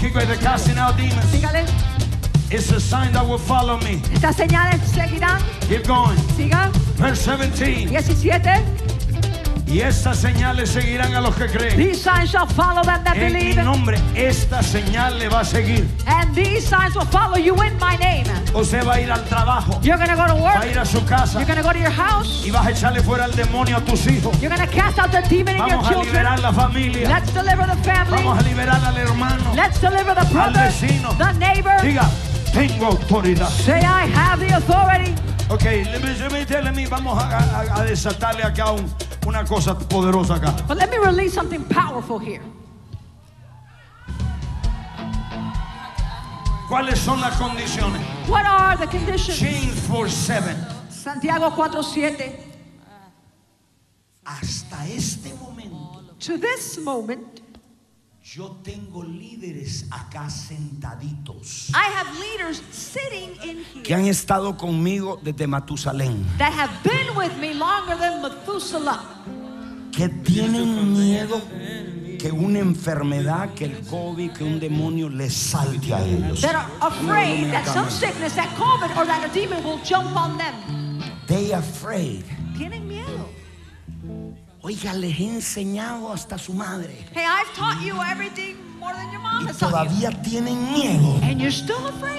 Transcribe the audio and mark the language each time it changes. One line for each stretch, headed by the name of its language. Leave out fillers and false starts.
English: Keep going, they're casting out demons.
Spanish: Dígale.
English: It's a sign that will follow me.
Spanish: Estas señales seguirán.
English: Keep going.
Spanish: Siga.
English: Verse 17. 17.
Spanish: Y estas señales seguirán a los que creen.
English: These signs shall follow them that
Spanish: en
English: believe.
Spanish: En mi nombre, esta señal le va a seguir.
English: And these signs will follow you in my name.
Spanish: Usted va a ir al trabajo.
English: You're going to go to work.
Spanish: Va a ir a su casa.
English: You're going to go to your house.
Spanish: Y vas a echarle fuera al demonio a tus hijos.
English: You're going to cast out the demon
Spanish: Vamos
English: in your children.
Spanish: Vamos a liberar la familia.
English: Let's deliver the family.
Spanish: Vamos a liberar al hermano.
English: Let's deliver the brother.
Spanish: Al vecino.
English: The neighbor.
Spanish: Diga. Tengo autoridad.
English: Say I have the authority. Okay, let me
Spanish: vamos a desatarle acá una cosa poderosa acá.
English: But let me release something powerful here.
Spanish: ¿Cuáles son las condiciones?
English: What are the conditions? James 4:7.
Spanish: Santiago 4:7. Hasta este momento.
English: To this moment.
Spanish: Yo tengo líderes acá sentaditos.
English: I have leaders sitting in here.
Spanish: Que han estado conmigo desde Matusalén.
English: That have been with me longer than Methuselah.
Spanish: Que tienen miedo que una enfermedad, que el COVID, que un demonio les salte a ellos.
English: That are afraid that some sickness, that COVID or that a demon will jump on them. They afraid.
Spanish: Tienen miedo. Oiga, les he enseñado hasta su madre.
English: Hey, I've taught you everything more than your mom has taught you.
Spanish: Y todavía tienen miedo.
English: And you're still afraid.